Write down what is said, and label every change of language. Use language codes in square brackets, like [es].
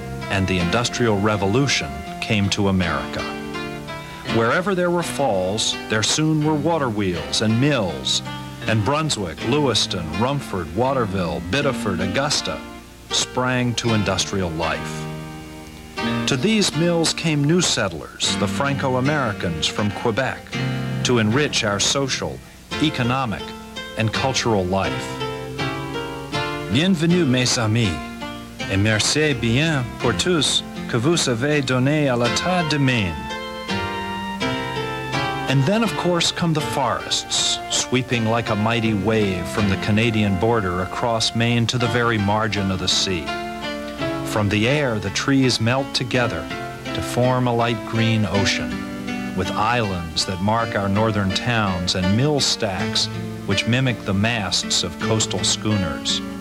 [en] And the Industrial Revolution came to America. Wherever there were falls, there soon were water wheels and mills, and Brunswick, Lewiston, Rumford, Waterville, Biddeford, Augusta sprang to industrial life. To these mills came new settlers, the Franco-Americans from Quebec, to enrich our social, economic, and cultural life. [fr] Bienvenue, mes amis, et merci bien pour tous que vous avez donné à l'état de Maine. [en] And then, of course, come the forests, sweeping like a mighty wave from the Canadian border across Maine to the very margin of the sea. From the air, the trees melt together to form a light green ocean, with islands that mark our northern towns and mill stacks which mimic the masts of coastal schooners.